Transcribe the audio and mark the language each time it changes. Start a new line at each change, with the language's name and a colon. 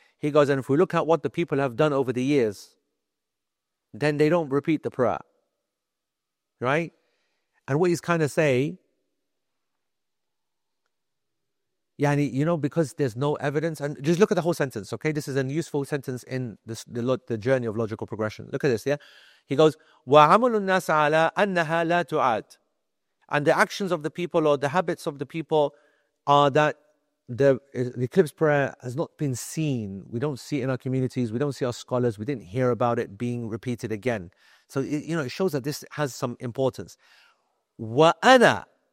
English: He goes, and if we look at what the people have done over the years, then they don't repeat the prayer. Right? And what he's kind of say, yani, you know, because there's no evidence, and just look at the whole sentence, okay? This is a useful sentence in this, the journey of logical progression. Look at this, yeah? He goes,
Arabic: وَعَمُلُ النَّاسَ عَلَىٰ أَنَّهَا لَا تُعَادْ.
English: And the actions of the people or the habits of the people are that the eclipse prayer has not been seen. We don't see it in our communities. We don't see our scholars. We didn't hear about it being repeated again. So, it shows that this has some importance.
Arabic: وَأَنَا.